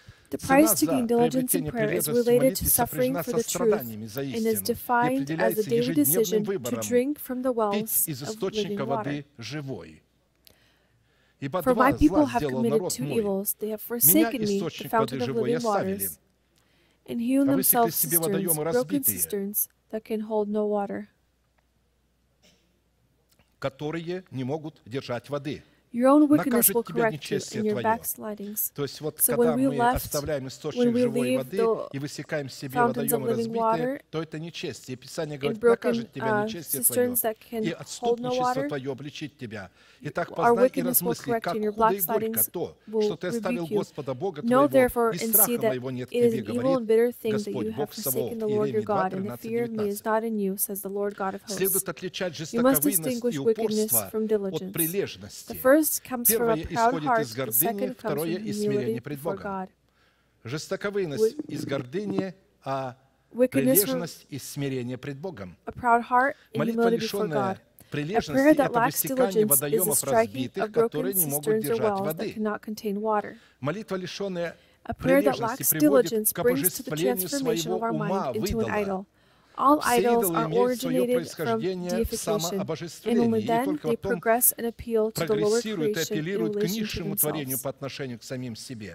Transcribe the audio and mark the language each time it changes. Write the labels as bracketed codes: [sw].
[en] The price to gain diligence in prayer is related to suffering for the truth and is defined as a daily decision to drink from the wells of living water. For my people have committed two evils. They have forsaken me, the fountain of living waters, and hewn themselves cisterns, broken cisterns that can hold no water. [ru] Которые не могут держать воды. Накажет тебя нечестие твое. То есть вот когда мы оставляем источник живой воды и высекаем себе водоемы разбитые, то это нечестие. Писание говорит, накажет тебя нечестие твое и отступничество твое обличит тебя. Итак, познай и размысли, как худо и горько то, что ты оставил Господа Бога твоего, и страха моего нет тебе, говорит Господь Бог Саваоф. Иеремия 2:13-19. Следует отличать жестоковыйность и упорство от прилежности. Первое исходит из гордыни, второе – из смирения пред Богом. Жестоковыйность из гордыни, а прилежность из смирения пред Богом. Молитва, лишенная прилежности, – это высекание водоемов разбитых, которые не могут держать воды. Молитва, лишенная прилежности, приводит к обожествлению своего ума в идола. [en] All idols are originated from deification, and only then they progress and appeal to the lower creation in relation to themselves.